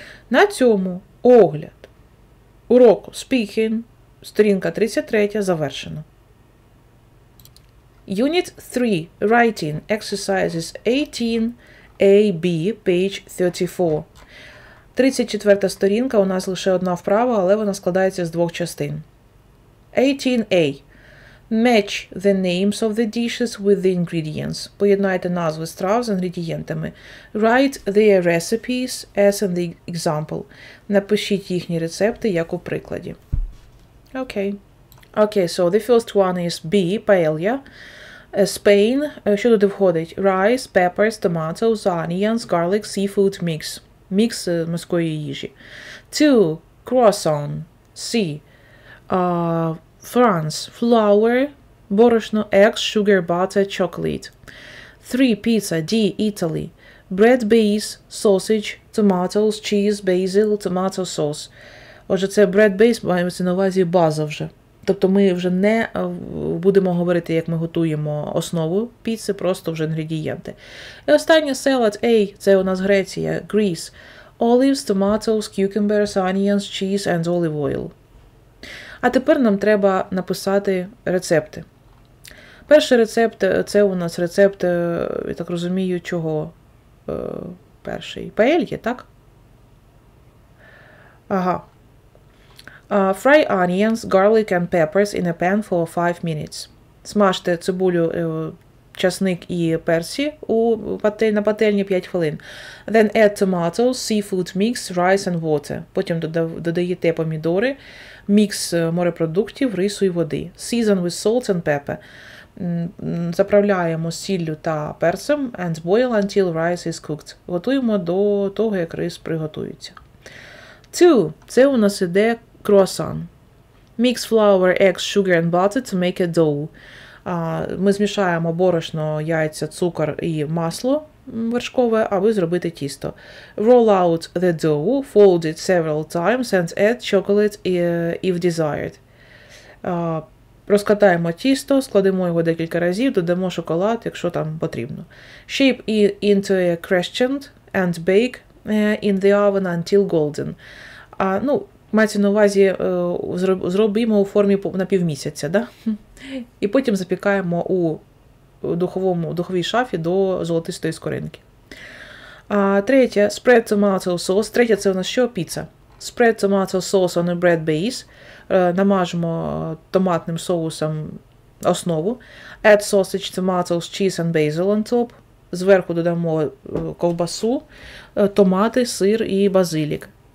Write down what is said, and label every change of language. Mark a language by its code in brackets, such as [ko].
[uk] На цьому огляд уроку speaking, сторінка 33, завершено. [en] Unit 3. Writing. Exercises 18AB, page 34. [uk] 34 сторінка, у нас лише одна вправа, але вона складається з двох частин. 18A. [en] Match the names of the dishes with the ingredients. [uk] Поєднайте назви страв з інгредієнтами. [en] Write their recipes as in the example. [uk] Напишіть їхні рецепти, як у прикладі. [en] Okay. Okay, so the first one is B, paella. Spain, [uk] що туди входить? [en] Rice, peppers, tomatoes, onions, garlic, seafood mix. Mix [uk] морської їжі. [en] Two, croissant. C, France, flour, борошно, eggs, sugar, butter, chocolate. Three, pizza. D, Italy. Bread base, sausage, tomatoes, cheese, basil, tomato sauce. [uk] Отже, це bread base, маємося на увазі база вже. Тобто ми вже не будемо говорити, як ми готуємо основу піци, просто вже інгредієнти. І останнє – салат A, це у нас Греція, Greece. [en] Olives, tomatoes, cucumbers, onions, cheese and olive oil. [uk] А тепер нам треба написати рецепти. Перший рецепт – це у нас рецепт, я так розумію, чого перший? Паельє, так? [en] Ага. Fry onions, garlic and peppers in a pan for 5 minutes. [uk] Смажте цибулю часник і персі у патель, на пательні 5 хвилин. [en] Then add tomatoes, seafood mix, rice and water. [uk] Потім додаєте помідори, мікс морепродуктів, рису і води. [en] Season with salt and pepper. [uk] Заправляємо сіллю та перцем [en] and boil until rice is cooked. [uk] Готуємо до того, як рис приготується. Two. Це у нас іде круасан. [en] Mix flour, eggs, sugar and butter to make a dough. [uk] Ми змішаємо борошно, яйця, цукор і масло вершкове, аби зробити тісто. [en] Roll out the dough, fold it several times and add chocolate if desired. [uk] Розкатаємо тісто, складемо його декілька разів, додамо шоколад, якщо там потрібно. [en] Shape into a crescent and bake in the oven until golden. [uk] Ну, мається на увазі, зробимо у формі на півмісяця, да? І потім запікаємо у духовій шафі до золотистої скоринки. [en] Третє, spread tomato sauce. [uk] Третє, це у нас що? Піца. [en] Spread tomato sauce on a bread base. [uk] Намажемо томатним соусом основу. [en] Add sausage, tomatoes, cheese and basil on top. [uk] Зверху додамо ковбасу, томати, сир і базилік.